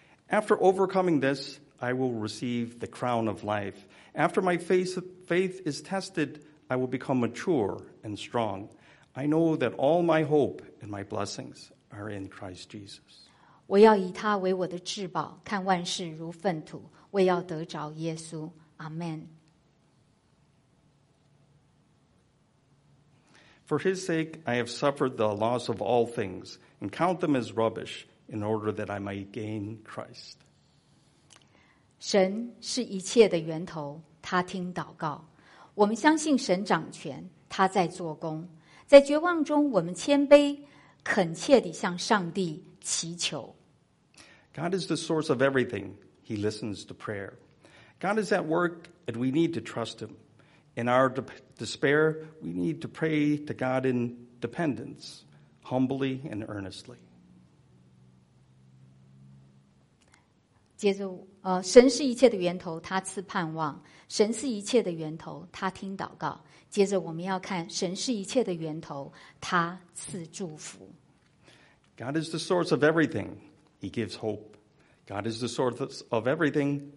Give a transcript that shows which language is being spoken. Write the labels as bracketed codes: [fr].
[en] After overcoming this, I will receive the crown of life. After my faith is tested, I will become mature and strong. I know that all my hope and my blessings are in Christ Jesus. [zh] 我要以他为我的至宝，看万事如粪土，为要得着耶稣。 [en] Amen. For his sake, I have suffered the loss of all things and count them as rubbish. In order that I might gain Christ. [zh] 神是一切的源头，他听祷告。我们相信神掌权，他在做工。在绝望中，我们谦卑恳切地向上帝祈求。 [en] God is the source of everything. He listens to prayer. God is at work, and we need to trust Him. In our despair, we need to pray to God in dependence, humbly and earnestly. [zh] 接着，神是一切的源头，他赐盼望。神是一切的源头，他听祷告。接着，我们要看神是一切的源头，他赐祝福。 [en] God is the source of everything. He gives hope. God is the source of everything.